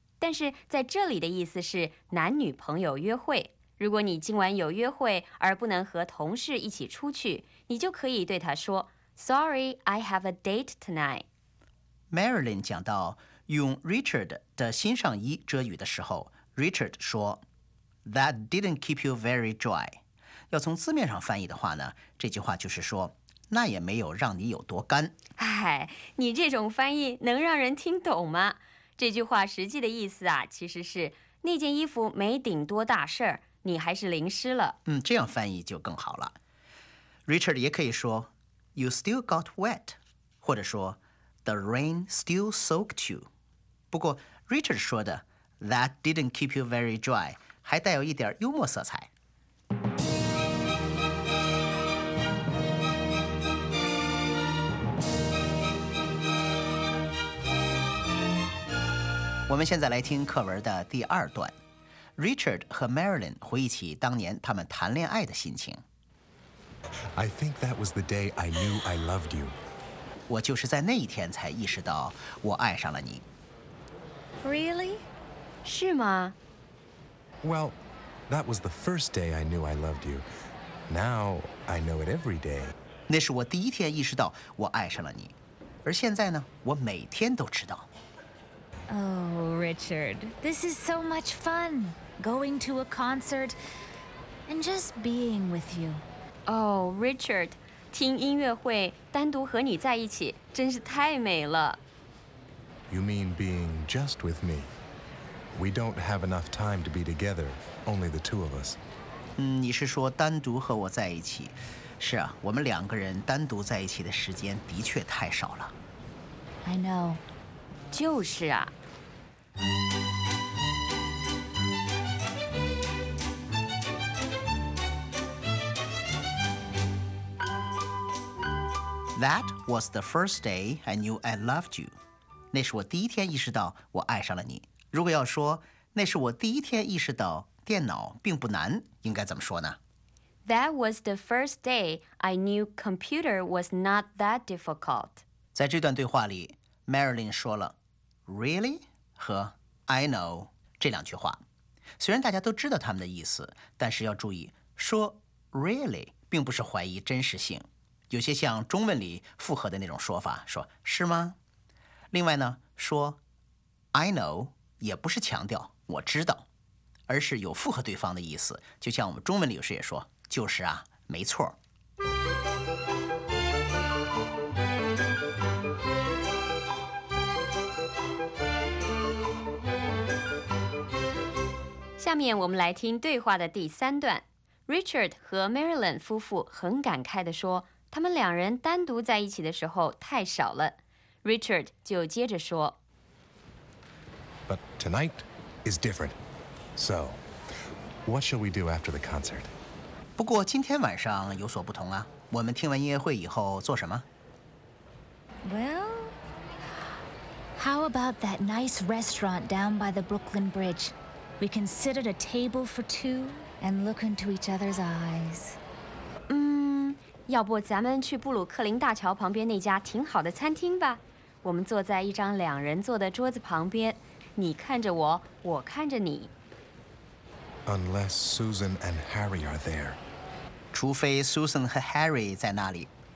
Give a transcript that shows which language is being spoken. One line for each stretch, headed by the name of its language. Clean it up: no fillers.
Chinese: 但是在这里的意思是男女朋友约会。如果你今晚有约会而不能和同事一起出去，你就可以对他说
English: Sorry, I have a date tonight.
Chinese: Marilyn 讲到用 Richard 的新上衣遮雨的时候， Richard 说
English: That didn't keep you very dry.
Chinese: 要从字面上翻译的话呢，这句话就是说那也没有让你有多干。哎，你这种翻译能让人听懂吗？这句话实际的意思啊，其实是那件衣服没顶多大事儿，你还是淋湿了。嗯，这样翻译就更好了。 Richard 也可以说 ，
English: You still got wet，
Chinese: 或者说 ，
English: The rain still soaked you。
Chinese: 不过 Richard 说的
English: That didn't keep you very dry，
Chinese: 还带有一点幽默色彩。我们现在来听课文的第二段。Richard 和 Marilyn 回忆起当年他们谈恋爱的心情。
English: I think that was the day I knew I loved you.
Chinese: 我就是在那一天才意识到我爱上了你。 Really? 是吗？
English: Well, that was the first day I knew I loved you. Now, I know it every day.
Chinese: 那是我第一天意识到我爱上了你。而现在呢，我每天都知道。
English: Oh, Richard, this is so much fun, going to a concert and just being with you.
Chinese: Oh, Richard, 听音乐会单独和你在一起真是太美了。
English: You mean being just with me? We don't have enough time to be together, only the two of us.
Chinese: 嗯，你是说单独和我在一起。是啊，我们两个人单独在一起的时间的确太少了。
English: I know,
Chinese: 就是啊。
English: That was the first day I knew I loved you.
Chinese: 那是我第一天意识到我爱上了你。如果要说那是我第一天意识到电脑并不难，应该怎么说呢？
English: That was the first day I knew computer was not that difficult.
Chinese: 在这段对话里 ，Marilyn 说了 "Really" 和 "I know" 这两句话。虽然大家都知道他们的意思，但是要注意说 "Really" 并不是怀疑真实性。有些像中文里附和的那种说法，说是吗？另外呢，说 I know 也不是强调我知道，而是有附和对方的意思，就像我们中文里有时也说，就是啊，没错。下面我们来听对话的第三段。Richard 和 Marilyn 夫妇很感慨地说，他们两人单独在一起的时候太少了。 Richard 就接着说，
English: But tonight is different. So, what shall we do after the concert?
Chinese: 不过今天晚上有所不同啊，我们听完音乐会以后做什么？
English: Well, how about that nice restaurant down by the Brooklyn Bridge? We can sit at a table for two and look into each other's eyes.
Chinese: 要不咱们去布鲁克林大桥旁边那家挺好的餐厅吧。我们坐在一张两人坐的桌子旁边，你看着我，我看着你。
English: Unless Susan and Harry are there.
Chinese: 除非 Susan 和 Harry 在那里。